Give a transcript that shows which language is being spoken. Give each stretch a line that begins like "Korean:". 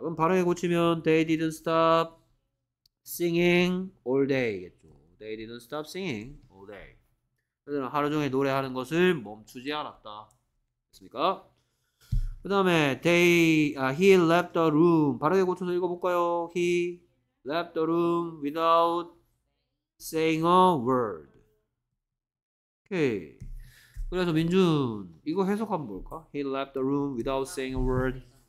Korean: 그럼 발음에 고치면
English: They didn't stop singing all day겠죠. They didn't stop singing all day.
Korean: 그들은 하루 종일 노래하는 것을 멈추지 않았다. 됐습니까? 그 다음에
English: he left the room.
Korean: 바르게 고쳐서 읽어볼까요?
English: He left the room without saying a word.
Korean: 오케이. 그래서 민준, 이거 해석하면 뭘까?
English: He left the room without saying a word.